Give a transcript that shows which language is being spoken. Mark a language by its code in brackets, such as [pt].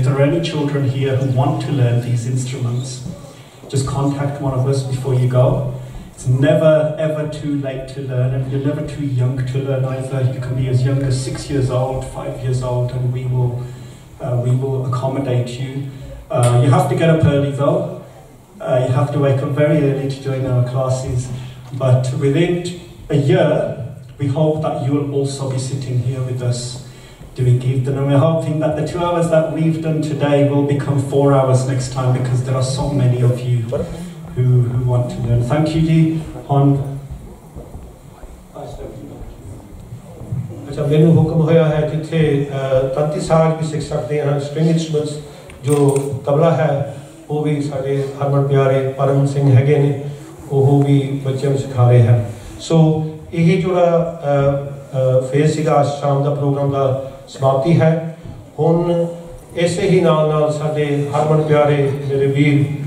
[en] If there are any children here who want to learn these instruments just contact one of us before you go. It's never ever too late to learn and you never too young to learn either. You can be as young as 6 years old 5 years old and we will accommodate you. You have to get up early though, you have to wake up very early to join our classes, but within a year we hope that you will also be sitting here with us doing kirtan, and we're hoping that the 2 hours that we've done today will become 4 hours next time because there are so many of you who want to learn. Thank you ji hon [pa] ਅੱਛਾ ਮੈਨੂੰ ਹੁਕਮ ਹੋਇਆ ਹੈ ਕਿ ਇੱਥੇ ਤਾਂਤੀ ਸਾਜ ਵੀ ਸਿੱਖ ਸਕਦੇ ਹਨ ਸਟ੍ਰਿੰਗ ਇੰਸਟਰੂਮੈਂਟਸ ਜੋ ਤਬਲਾ ਹੈ ਉਹ ਵੀ ਸਾਡੇ ਹਰਮਨ ਪਿਆਰੇ ਪਰਮ ਸਿੰਘ ਹੈਗੇ ਨੇ ਉਹ ਵੀ ਬੱਚਿਆਂ ਨੂੰ ਸਿਖਾ ਰਹੇ ਹਨ ਸੋ ਇਹ ਜਿਹੜਾ ਫੇਸ ਸੀਗਾ ਅੱਜ ਸ਼ਾਮ ਦਾ ਪ੍ਰੋਗਰਾਮ ਦਾ ਸਮਾਪਤੀ ਹੈ ਹੁਣ ਇਸੇ ਹੀ ਨਾਲ ਨਾਲ ਸਾਡੇ ਹਰਮਨ ਪਿਆਰੇ ਮੇਰੇ ਵੀਰ